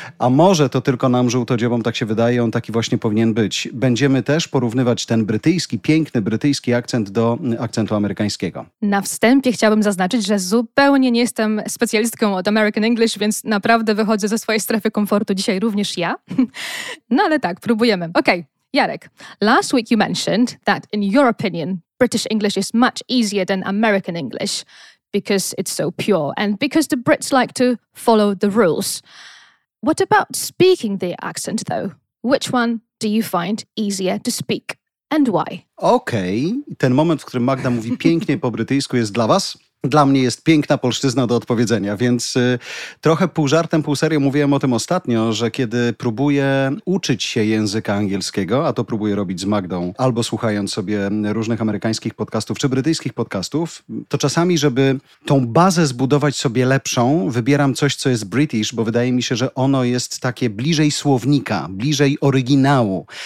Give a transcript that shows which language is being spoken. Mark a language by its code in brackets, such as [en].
[pl] A może to tylko nam żółtodziobom tak się wydaje, on taki właśnie powinien być. Będziemy też porównywać ten brytyjski, piękny, brytyjski akcent do akcentu amerykańskiego. Na wstępie chciałabym zaznaczyć, że zupełnie nie jestem specjalistką od American English, więc naprawdę wychodzę ze swojej strefy komfortu dzisiaj również ja. No ale tak, próbujemy. [en] Okej, Jarek, last week you mentioned that in your opinion British English is much easier than American English because it's so pure and because the Brits like to follow the rules. What about speaking the accent though? Which one do you find easier to speak? And why? Okej, okay. [pl] Ten moment, w którym Magda mówi pięknie po brytyjsku jest dla was? Dla mnie jest piękna polszczyzna do odpowiedzenia, więc trochę pół żartem, pół serio mówiłem o tym ostatnio, że kiedy próbuję uczyć się języka angielskiego, a to próbuję robić z Magdą, albo słuchając sobie różnych amerykańskich podcastów, czy brytyjskich podcastów, to czasami, żeby tą bazę zbudować sobie lepszą, wybieram coś, co jest British, bo wydaje mi się, że ono jest takie bliżej słownika, bliżej oryginału.